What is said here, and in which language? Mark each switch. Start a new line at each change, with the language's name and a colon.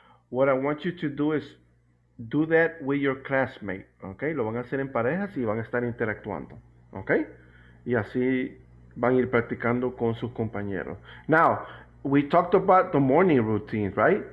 English: What I want you to do is do that with your classmate, okay?
Spanish: Lo van a hacer en parejas y van a estar interactuando, okay? Y así van a ir practicando con sus compañeros.
English: Now, we talked about the morning routine, right?